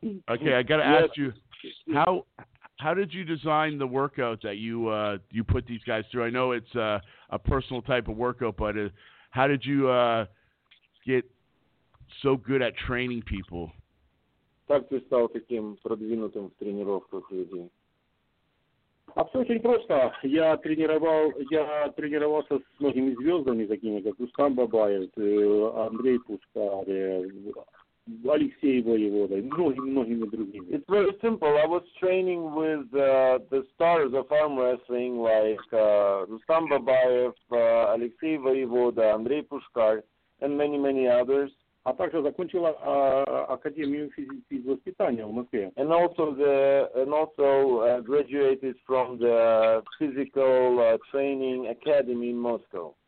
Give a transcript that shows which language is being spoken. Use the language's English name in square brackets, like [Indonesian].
[English] Okay, I got to ask you, how did you design the workout that you put these guys through? I know it's a personal type of workout, but how did you get so good at training people? [Russian] Так ты стал таким продвинутым в тренировках людей. А все очень просто. Я тренировался с многими звездами, такими как Рустам Бабаев, Андрей Пушкарь, Алексей Воевода, многими другими. [English] It's very simple. I was training with the stars of arm wrestling, like Рустам Бабаев, Алексей Воевода, Андрей Пушкарь, and many others. [Russian] А также закончила Академию физического воспитания в Москве. [English] And also graduated from the physical training academy in Moscow.